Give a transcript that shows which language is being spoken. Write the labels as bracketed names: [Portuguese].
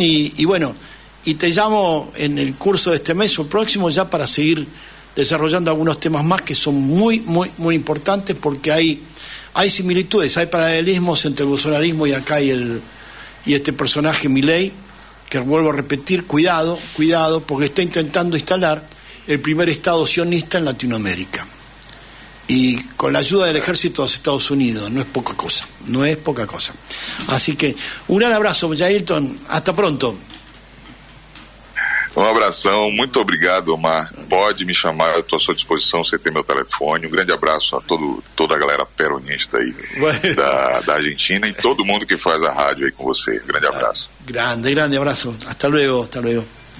[Spanish] Y bueno, y te llamo en el curso de este mes o el próximo ya para seguir desarrollando algunos temas más que son muy, muy, muy importantes, porque hay similitudes, hay paralelismos entre el bolsonarismo y acá y este personaje, Milei, que vuelvo a repetir, cuidado, porque está intentando instalar el primer Estado sionista en Latinoamérica. Y con la ayuda del ejército de los Estados Unidos, no es poca cosa. Así que, un gran abrazo, Yaitón, hasta pronto. Un abrazo, [Portuguese] muito obrigado, Omar. Pode me chamar, estou a sua disposição, você tem meu telefone. [Spanish] Un grande abrazo [Portuguese] a toda a galera peronista aí, bueno. da Argentina y todo mundo que faz a rádio aí com você. [Spanish] Un grande abrazo. Grande abrazo. Hasta luego.